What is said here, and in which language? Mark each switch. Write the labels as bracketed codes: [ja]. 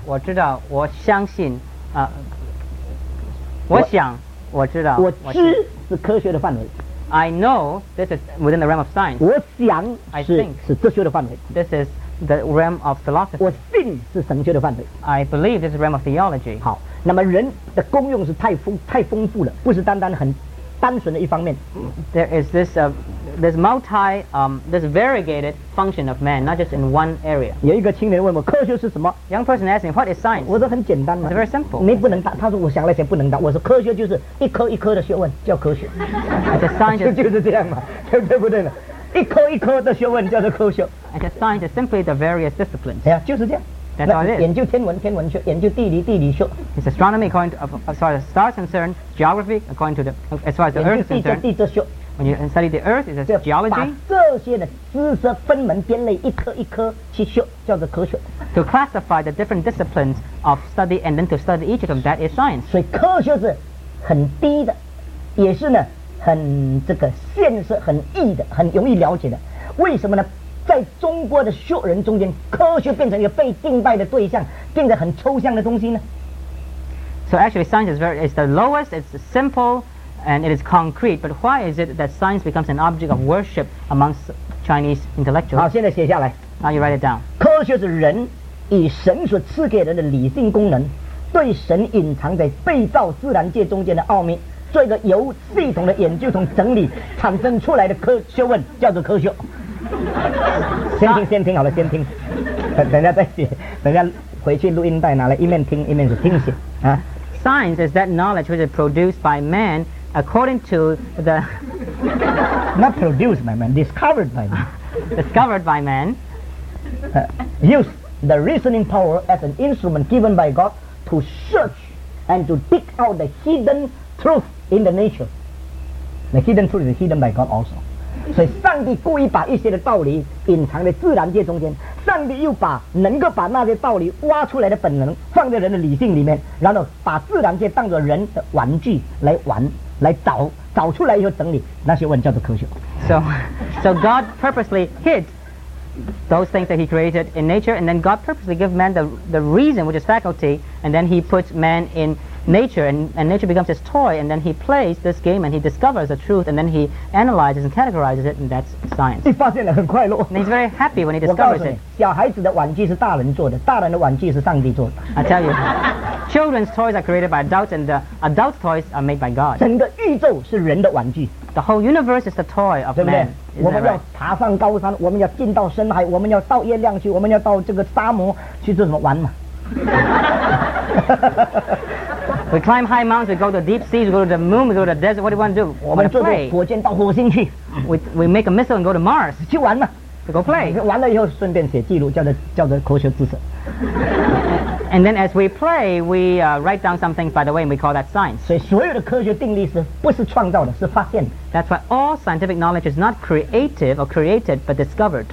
[zh] 我知道，我相信。我想。我知道。我知 是科学的范围。 [en] I know this is within the realm of science. [zh] 我想 [en] I think [zh] 是哲学的范围。 [en] This is the realm of philosophy. [zh] 我信 是神学的范围。 [en] I believe this is the realm of theology. [zh] 好。 那么人的功用是太丰富了，不是单单很单纯的一方面。 [en] There is this this multi this variegated function of man, not just in one area. [zh] 有一个青年问我科学是什么 [en] ？Young person asked me, "What is science?" [zh] 我说很简单嘛。 [en] It's very simple. [zh] 你不能答，他说我想了想不能答。我说科学就是一颗一颗的学问叫科学。 [en] The science [zh] 就是这样嘛，对不对？不对了。一颗一颗的学问叫做科学。 [en] And the science is simply the various disciplines. [zh] 哎呀，就是这样。 [en] That's all it is. [zh] 研究天文，天文学；研究地理，地理学。 [en] It's astronomy according to, sorry, the stars concerned. Geography according to the, as far as the earth is concerned. [zh] 地质学。 [en] When you study the earth, it's geology. [zh] 把这些的知识分门别类，一颗一颗去学，叫做科学。 [en] To classify the different disciplines of study and then to study each of them, that is science. [zh] 所以科学是很低的，也是呢。很这个现实很易的很容易了解的为什么呢在中国的学人中间科学变成一个被敬拜的对象变得很抽象的东西呢 [en] So actually science is very, it's the lowest it's simple and it is concrete but why is it that science becomes an object of worship amongst Chinese intellectuals [zh] 好现在写下来 [en] Now you write it down [zh] 科学是人以神所赐给人的理性功能对神隐藏在被造自然界中间的奥秘做一个由系统的研究同整理产生出来的科学问叫做科学先听先听好了先听等下再写等下回去录音带拿来一面听一面是听写、啊、 [en] Science is that knowledge which is produced by man according to the Not produced by man, discovered by man Discovered by man Use the reasoning power as an instrument given by God to search and to dig out the hidden truthin the nature the hidden truth is hidden by God also [zh] 所以上帝故意把一些的道理隐藏在自然界中间上帝又把能够把那些道理挖出来的本能放在人的理性里面然后把自然界当作人的玩具来玩来找找出来以后整理那些问叫做科学 [en] so God purposely hid those things that he created in nature and then God purposely gave man the reason which is faculty and then he puts man inNature and nature becomes his toy, and then he plays this game and he discovers the truth, and then he analyzes and categorizes it, and that's science. [zh] 一发现了很快乐 [en] and he's very happy when he discovers it. [zh] 小孩子的玩具是大人做的，大人的玩具是上帝做的。 [en] I tell you, children's toys are created by adults, and the adult toys are made by God. [zh] 整个宇宙是人的玩具。 [en] The whole universe is the toy of [zh] 对不对 [en] man. [zh] 我们要爬上高山，我们要进到深海，我们要到月亮去，我们要到这个沙漠去做什么玩嘛？ [en] We climb high mountains, we go to deep seas, we go to the moon, we go to the desert. What do you want to do? We want to play. [zh] 火箭到火星去。 [en] We make a missile and go to Mars. [zh] 去玩嘛。 [en] To go play. [zh] 玩了以后顺便写记录，叫做科学知识。 [en] And then as we play, we write down something by the way, and we call that science. [zh] 所以所有的科学定律是不是创造的，是发现的。 [en] That's why all scientific knowledge is not creative or created, but discovered.